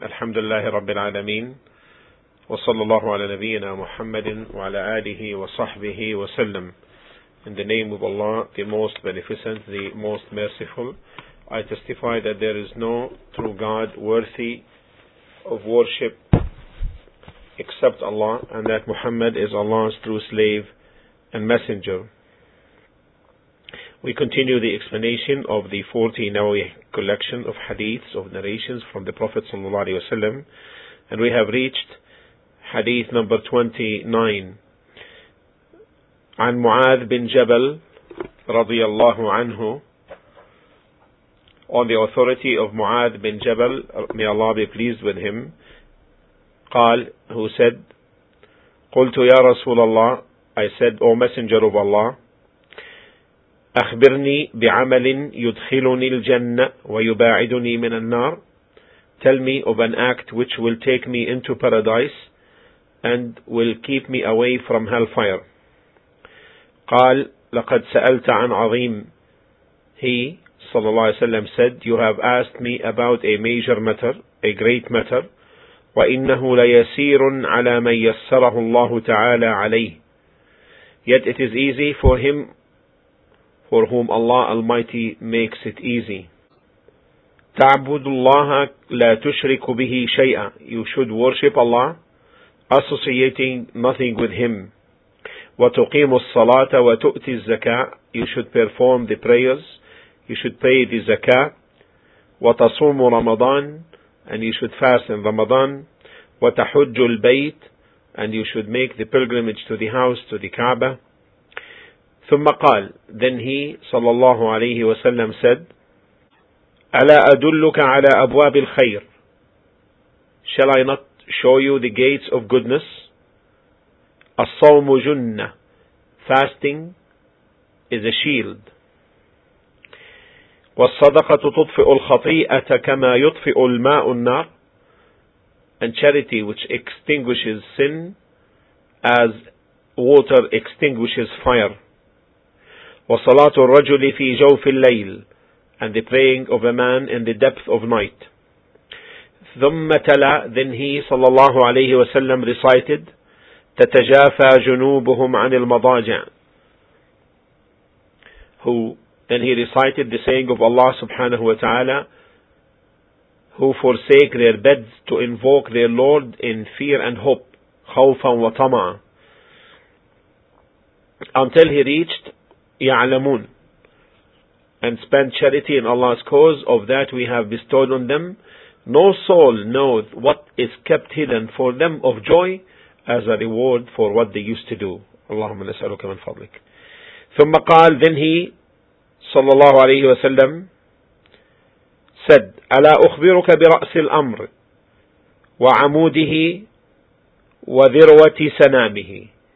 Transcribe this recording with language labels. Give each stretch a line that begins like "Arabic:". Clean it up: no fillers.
Arabic: الحمد لله رب العالمين، وصلى الله على نبينا محمد وعلى آله وصحبه وسلم.
English: In the name of Allah, the most beneficent, the most merciful, I testify that there is no true God worthy of worship except Allah, and that Muhammad is Allah's true slave and messenger. We continue the explanation of the 40 Nawawi collection of hadiths, of narrations from the Prophet ﷺ, and we have reached hadith number 29.
Arabic: عن معاذ بن جبل رضي الله عنه,
English: on the authority of
Arabic: معاذ بن جبل,
English: may Allah be pleased with him,
Arabic: قال,
English: who said,
Arabic: قلت يا رسول الله,
English: I said, O Messenger of Allah,
Arabic: أخبرني بعمل يدخلني الجنة ويباعدني من النار.
English: Tell me of an act which will take me into paradise and will keep me away from hellfire.
Arabic: قال لقد سألت عن عظيم.
English: He,
Arabic: صلى الله عليه وسلم,
English: said, you have asked me about a major matter, a great matter.
Arabic: وإنه ليسير على من يسره الله تعالى عليه.
English: Yet it is easy for him for whom Allah Almighty makes it easy.
Arabic: تعبد الله لا تشرك به شيئا.
English: You should worship Allah, associating nothing with Him.
Arabic: وتقيم الصلاة وتؤتي الزكاة.
English: You should perform the prayers. You should pay the zakah.
Arabic: وتصوم رمضان.
English: And you should fast in Ramadan.
Arabic: وتحج البيت.
English: And you should make the pilgrimage to the house, to the Kaaba.
Arabic: ثم قال,
English: then he,
Arabic: صلى الله عليه وسلم,
English: said,
Arabic: ألا أدلك على أبواب الخير؟
English: Shall I not show you the gates of goodness?
Arabic: الصوم جنة.
English: Fasting is a shield.
Arabic: والصدقة تطفئ الخطيئة كما يطفئ الماء النار.
English: And charity which extinguishes sin as water extinguishes fire.
Arabic: وصلاة الرجل في جوف الليل,
English: and the praying of a man in the depth of night.
Arabic: ثم تلا,
English: then he,
Arabic: صلى الله عليه وسلم,
English: recited,
Arabic: تتجافى جنوبهم عن المضاجع.
English: Then he recited the saying of Allah subhanahu wa ta'ala, who forsake their beds to invoke their Lord in fear and hope,
Arabic: خوفا وطمعا,
English: until he reached
Arabic: يعلمون,
English: and spend charity in Allah's cause of that we have bestowed on them. No soul knows what is kept hidden for them of joy as a reward for what they used to do.
Arabic: اللهم نسألك من فضلك. ثم قال,
English: then he,
Arabic: صلى الله عليه وسلم,
English: said,
Arabic: ألا أخبرك برأس الأمر وعموده وذروة سنامه.